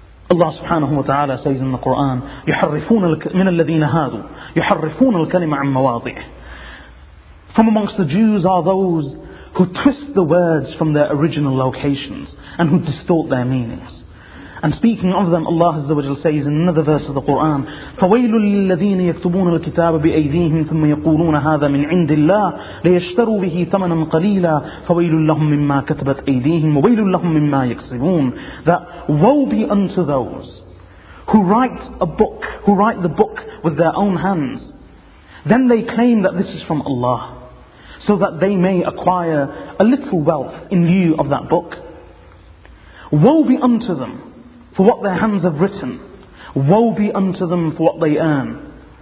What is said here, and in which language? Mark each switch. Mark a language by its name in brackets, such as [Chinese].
[English] Allah subhanahu wa ta'ala says in the Quran, [Arabic] يُحَرِّفُونَ مِنَ الَّذِينَ هَادُوا يُحَرِّفُونَ الْكَلِمَ عَمْ مَوَاضِعِ. [English] From amongst the Jews are those who twist the words from their original locations and who distort their meanings. And speaking of them, Allah Azza wa Jal says in another verse of the Quran, [Arabic] فَوَيْلُ لِلَّذِينَ يَكْتُبُونَ الْكِتَابَ بِأَيْدِيهِمْ ثُمَّ يَقُولُونَ هَذَا مِنْ عِنْدِ اللَّهِ لِيَشْتَرُوا بِهِ ثَمَنًا قَلِيلًا فَوَيْلٌ لَهُمْ مِمَّا كَتَبَتْ أَيْدِيهِمْ وَوَيْلٌ لَهُمْ مِمَّا يَكْسِبُونَ. [English] That woe be unto those who write a book, who write the book with their own hands. Then they claim that this is from Allah, so that they may acquire a little wealth in lieu of that book. Woe be unto them for what their hands have written. Woe be unto them for what they earn.